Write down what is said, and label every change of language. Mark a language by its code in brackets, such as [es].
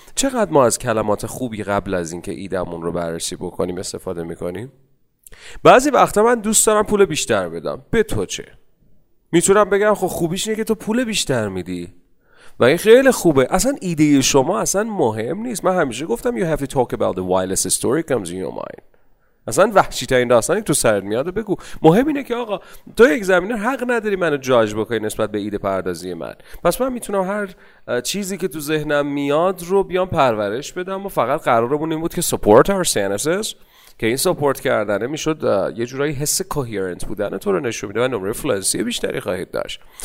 [fa] چقدر ما از کلمات خوبی قبل از اینکه ایدمون رو بررسی بکنیم استفاده میکنیم. بعضی وقتا من دوست دارم پول بیشتر بدم، به تو چه؟ میتونم بگم خب خوبیش اینه که تو پول بیشتر میدی و این خیلی خوبه. اصلا ایده شما اصلا مهم نیست. من همیشه گفتم [en] you have to talk about the wildest story comes in your mind. [fa] اصلا وحشی ترین داستانی تو سرت میاد و بگو. مهم اینه که آقا تو اگزامینر حق نداری منو جاج بکنی نسبت به ایده پردازی من. پس من میتونم هر چیزی که تو ذهنم میاد رو بیام پرورش بدم و فقط قرارمون این بود که [en] support our senses، [fa] که این سپورت کردنه میشد یه جورایی حس کوهیرنت بودن تو رو نشون میده و نمره فلوئنسی بیشتری خواهید داشت.